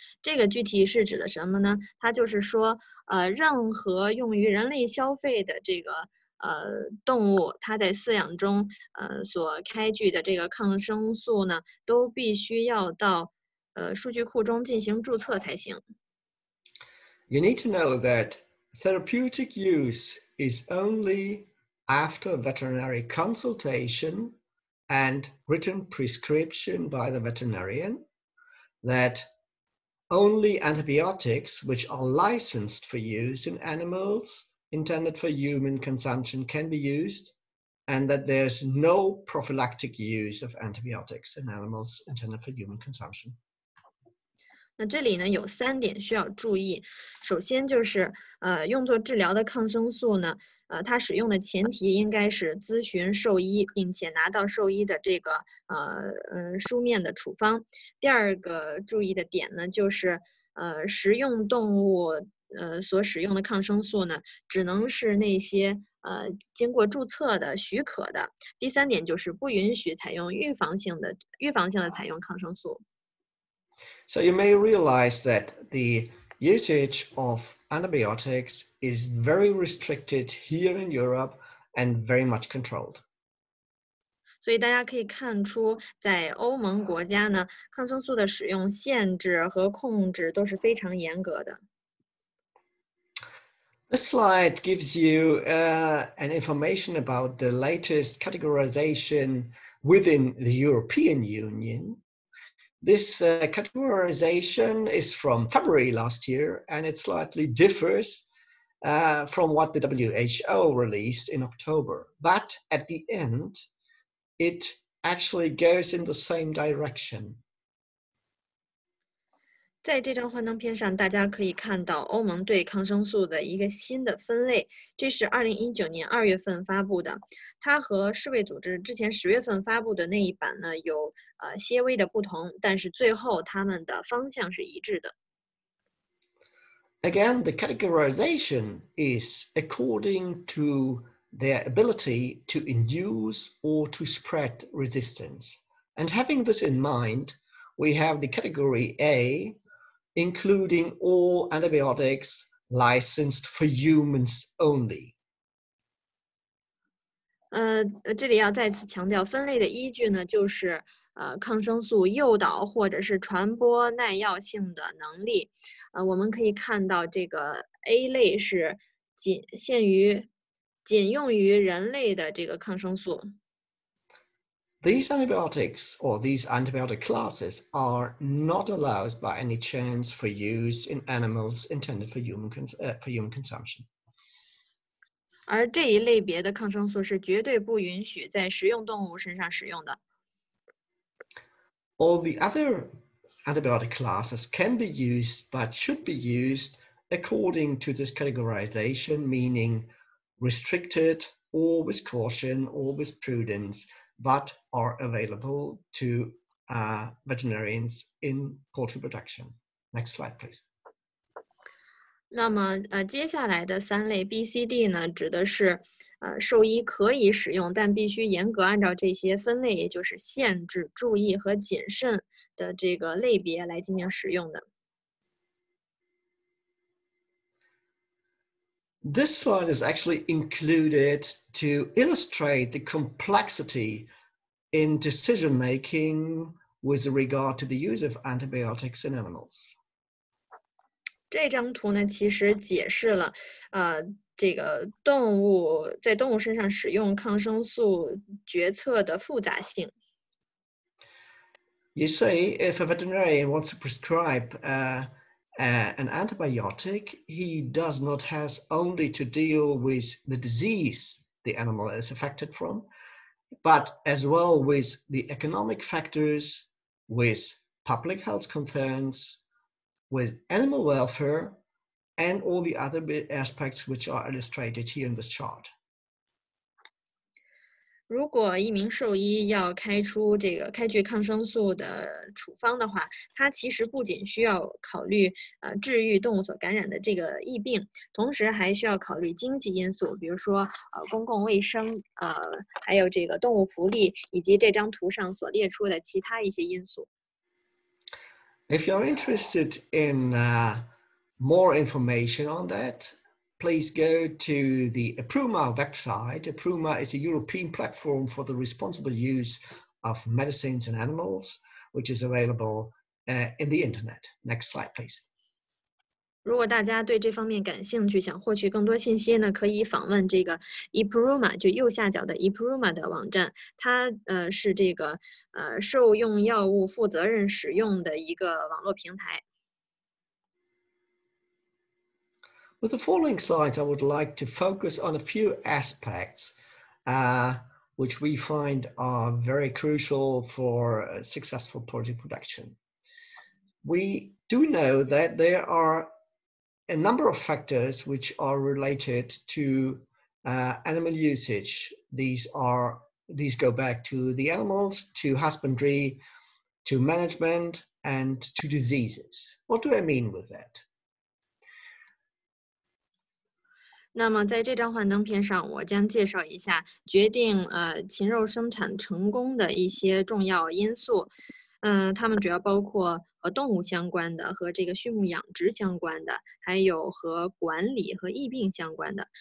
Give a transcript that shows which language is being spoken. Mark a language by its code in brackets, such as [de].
[zh] 这个具体是指的什么呢？它就是说，任何用于人类消费的这个动物它在饲养中所开具的这个抗生素呢都必须要到数据库中进行注册才行。 [en] You need to know that therapeutic use is only after veterinary consultation and written prescription by the veterinarian, that only antibiotics which are licensed for use in animals intended for human consumption can be used, and that there's no prophylactic use of antibiotics in animals intended for human consumption. [zh] 那这里呢有三点需要注意。首先就是用作治疗的抗生素呢它使用的前提应该是咨询兽医并且拿到兽医的这个书面的处方。第二个注意的点呢就是食用动物所使用的抗生素呢只能是那些经过注册的许可的。第三点就是不允许采用预防性的采用抗生素。 [en] So you may realize that the usage of antibiotics is very restricted here in Europe and very much controlled. [zh] 所以大家可以看出在欧盟国家呢抗生素的使用限制和控制都是非常严格的。 [en] This slide gives you an information about the latest categorization within the European Union. This categorization is from February last year, and it slightly differs from what the WHO released in October. But at the end, it actually goes in the same direction. [zh] 在这张幻灯片上，大家可以看到欧盟对抗生素的一个新的分类，这是2019年2月份发布的，它和世卫组织之前10月份发布的那一版呢有些微的不同，但是最后他们的方向是一致的。 [en] Again, the categorization is according to their ability to induce or to spread resistance. And having this in mind, we have the category A, including all antibiotics licensed for humans only. [zh] 这里要再次强调分类的依据呢就是抗生素诱导或者是传播耐药性的能力。我们可以看到这个 A 类是仅用于人类的这个抗生素。 [en] These antibiotics or these antibiotic classes are not allowed by any chance for use in animals intended for human consumption. [zh] 而这一类别的抗生素是绝对不允许在食用动物身上使用的。 [en] All the other antibiotic classes can be used but should be used according to this categorization, meaning restricted or with caution or with prudence. But are available to veterinarians in poultry production. Next slide, please. [zh] 那么接下来的三类 B、C、D 呢，指的是兽医可以使用，但必须严格按照这些分类，也就是限制、注意和谨慎的这个类别来进行使用的。 [en] This slide is actually included to illustrate the complexity in decision making with regard to the use of antibiotics in animals. [zh] 这张图呢，其实解释了，这个动物在动物身上使用抗生素决策的复杂性。 [en] You see, if a veterinarian wants to prescribe an antibiotic, he does not have only to deal with the disease the animal is affected from, but as well with the economic factors, with public health concerns, with animal welfare, and all the other aspects which are illustrated here in this chart. [zh] 如果一名兽医要开出这个开具抗生素的处方的话，他其实不仅需要考虑治愈动物所感染的这个疫病，同时还需要考虑经济因素，比如说公共卫生，还有这个动物福利，以及这张图上所列出的其他一些因素。 [en] If you're interested in more information on that, please go to the APRUMA website. APRUMA is a European platform for the responsible use of medicines and animals, which is available in the internet. Next slide, please. [zh] 如果大家对这方面感兴趣，想获取更多信息呢，可以访问这个 EPRUMA， 就右下角的 EPRUMA 的网站。它是这个兽用药物负责任使用的一个网络平台。 [en] With the following slides, I would like to focus on a few aspects, which we find are very crucial for successful poultry production. We do know that there are a number of factors which are related to animal usage. These go back to the animals, to husbandry, to management, and to diseases. What do I mean with that? [zh] 那么在这张幻灯片上，我将介绍一下决定禽肉生产成功的一些重要因素。它们主要包括和动物相关的，和这个畜牧养殖相关的，还有和管理和疫病相关的。